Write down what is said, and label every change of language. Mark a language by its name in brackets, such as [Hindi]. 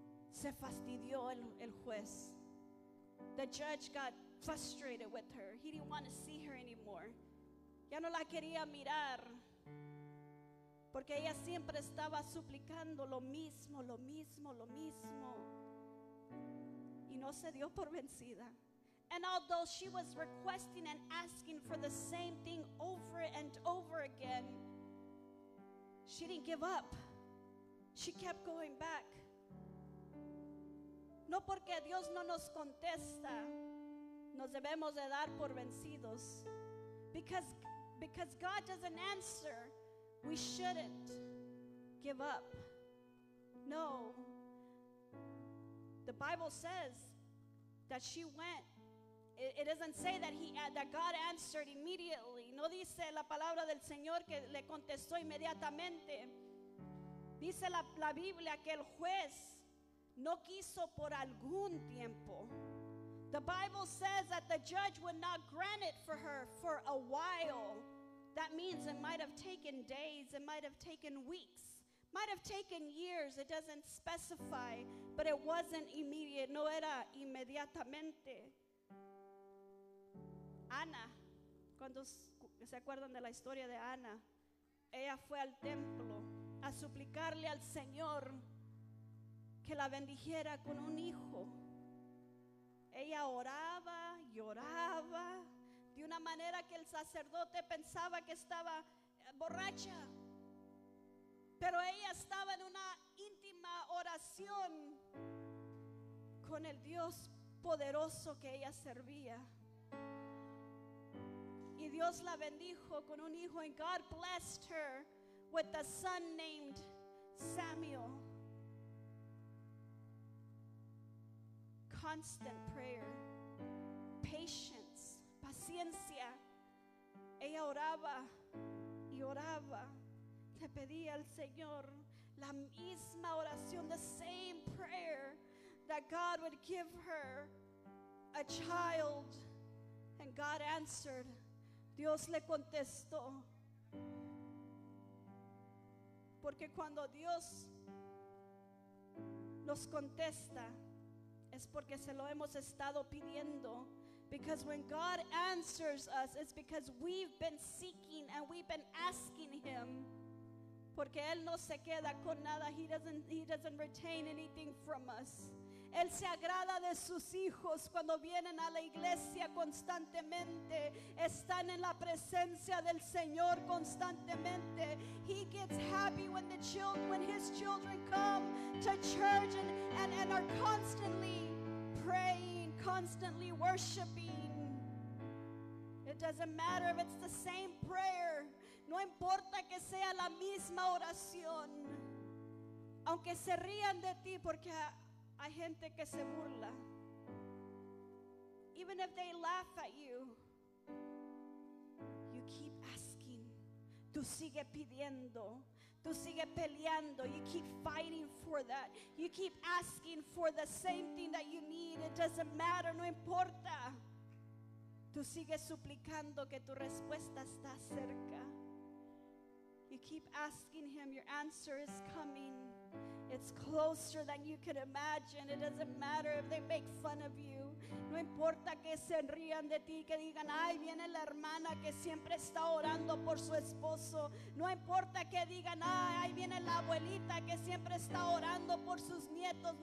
[Spanish] Se fastidió el juez. [English] The judge got frustrated with her. He didn't want to see her anymore. [Spanish] Ya no la quería mirar. Porque ella siempre estaba suplicando lo mismo, lo mismo, lo mismo. Y no se dio por vencida. [English] And although she was requesting and asking for the same thing over and over again, she didn't give up. She kept going back. [Spanish] No porque Dios no nos contesta, nos debemos de dar por vencidos. [English] Because God doesn't answer, we shouldn't give up. No. The Bible says that she went. It doesn't say that God answered immediately. [Spanish] No dice la palabra del Señor que le contestó inmediatamente. Dice la Biblia que el juez no quiso por algún tiempo. [English] The Bible says that the judge would not grant it for her for a while. That means it might have taken days, it might have taken weeks, might have taken years. It doesn't specify, but it wasn't immediate. [Spanish] No era inmediatamente. Ana, cuando se acuerdan de la historia de Ana, ella fue al templo a suplicarle al Señor que la bendijera con un hijo. Ella oraba, lloraba, de una manera que el sacerdote pensaba que estaba borracha. Pero ella estaba en una íntima oración con el Dios poderoso que ella servía. Y Dios la bendijo con un hijo. [English] And God blessed her with a son named Samuel. Constant prayer, patience, paciencia. [Spanish] Ella oraba y oraba, le pedía al Señor la misma oración, [English] the same prayer, that God would give her a child. And God answered. [Spanish] Dios le contestó. Porque cuando Dios nos contesta, es porque se lo hemos estado pidiendo. [English] Because when God answers us, it's because we've been seeking and we've been asking Him. [Spanish] Porque Él no se queda con nada. [English] He doesn't retain anything from us. [Spanish] Él se agrada de sus hijos cuando vienen a la iglesia constantemente. Están en la presencia del Señor constantemente. [English] He gets happy when the children, when His children come to church and are constantly praying, constantly worshiping. It doesn't matter if it's the same prayer. [Spanish] No importa que sea la misma oración. Aunque se rían de ti porque hay gente que se burla. [English] Even if they laugh at you, you keep asking. [Spanish] Tú sigue pidiendo. Tú sigue peleando. [English] You keep fighting for that. You keep asking for the same thing that you need. It doesn't matter. [Spanish] No importa. Tú sigues suplicando que tu respuesta está cerca. [English] You keep asking him, your answer is coming. It's closer than you can imagine. It doesn't matter if they make fun of you. [Spanish] No importa que se rían de ti, que digan, ay, viene la hermana que siempre está orando por su esposo. No importa que digan, ay, ahí viene la abuelita que siempre está orando por sus nietos.